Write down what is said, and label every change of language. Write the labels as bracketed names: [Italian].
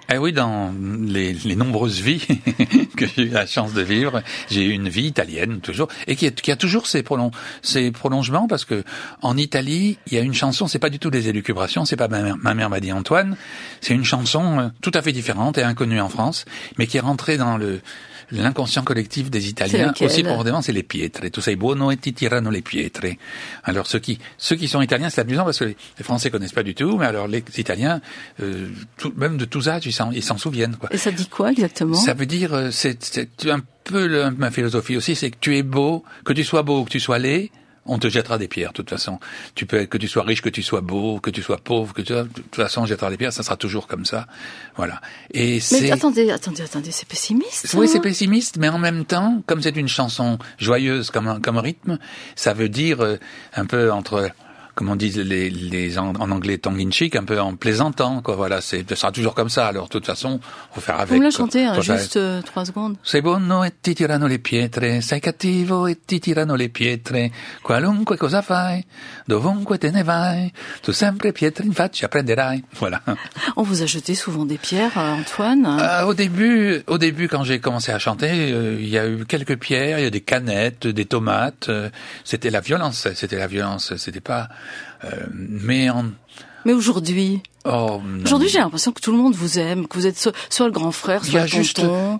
[French] Eh oui, dans les nombreuses vies que j'ai eu la chance de vivre, j'ai eu une vie italienne toujours et qui a toujours ses prolongements parce que en Italie, il y a une chanson, c'est pas du tout des élucubrations, c'est pas ma mère m'a dit Antoine, c'est une chanson tout à fait différente et inconnue en France, mais qui est rentrée dans l'inconscient collectif des Italiens, aussi profondément, c'est les pietre. [Italian] Tu sei buono e ti tirano le pietre. [French] Alors, ceux qui sont italiens, c'est amusant parce que les Français connaissent pas du tout, mais alors les Italiens, même de tous âges, ils s'en souviennent, quoi. Et ça dit quoi, exactement? Ça veut dire, c'est un peu ma philosophie aussi, c'est que tu es beau, que tu sois laid, On te jettera des pierres, de toute façon. Tu peux être, que tu sois riche, que tu sois beau, que tu sois pauvre, que tu sois, de toute façon, on jettera des pierres, ça sera toujours comme ça. Voilà. Et c'est... Mais attendez, c'est pessimiste. Oui, hein, c'est pessimiste, mais en même temps, comme c'est une chanson joyeuse comme rythme, ça veut dire, un peu entre, comme on dit en anglais, [English] tongue in cheek, [French] un peu en plaisantant, quoi, voilà, c'est, ça sera toujours comme ça, alors, de toute façon, faut faire avec. Vous me la chantez, hein, juste trois secondes. [Italian] C'est buono e ti tirano le pietre, sei cattivo e ti tirano le pietre, qualunque cosa fai, dovunque te ne vai, tu sempre pietre in faccia prenderai. [French] Voilà. On vous a jeté souvent des pierres, Antoine? Au début, quand j'ai commencé à chanter, il y a eu quelques pierres, il y a des canettes, des tomates, c'était la violence, c'était pas... Mais aujourd'hui. Oh, aujourd'hui, j'ai l'impression que tout le monde vous aime, que vous êtes soit le grand frère, soit le tonton.